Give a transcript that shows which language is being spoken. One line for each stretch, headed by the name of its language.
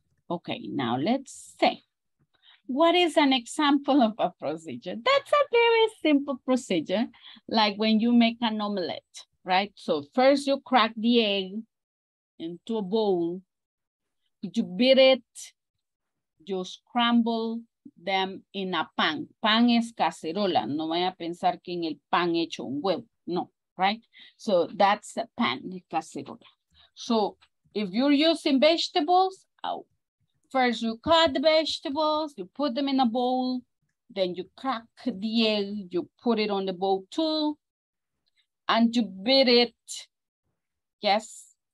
English: Okay, now let's see. What is an example of a procedure? That's a very simple procedure, like when you make an omelette, right? So first you crack the egg into a bowl, you beat it, you scramble them in a pan.
Spanish: Pan es cacerola, no vaya a pensar que en el pan hecho un huevo, no, right?
English: So that's a pan, cacerola. So if you're using vegetables, oh, first you cut the vegetables, you put them in a bowl, then you crack the egg, you put it on the bowl too, and you beat it, yes?